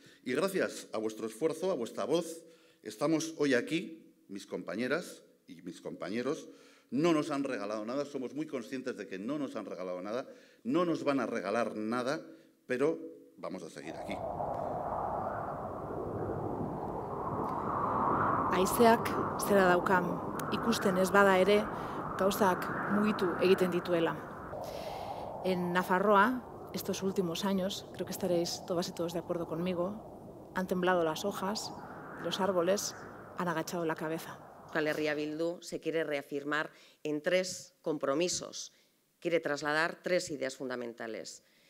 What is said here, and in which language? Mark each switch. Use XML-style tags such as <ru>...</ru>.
<es>Y gracias a vuestro esfuerzo, a vuestra voz, estamos hoy aquí, mis compañeras y mis compañeros, no nos han regalado nada, somos muy conscientes de que no nos han regalado nada, no nos van a regalar nada, pero vamos a seguir aquí.</es> <eu>Haizeak zera daukan, ikusten ez bada ere, gauzak mugitu egiten dituela.</eu> <es>En Nafarroa, estos últimos años, creo que estaréis todas y todos de acuerdo conmigo, han temblado las hojas, los árboles han agachado la cabeza. Euskal Herria Bildu se quiere reafirmar en tres compromisos, quiere trasladar tres ideas fundamentales.</es>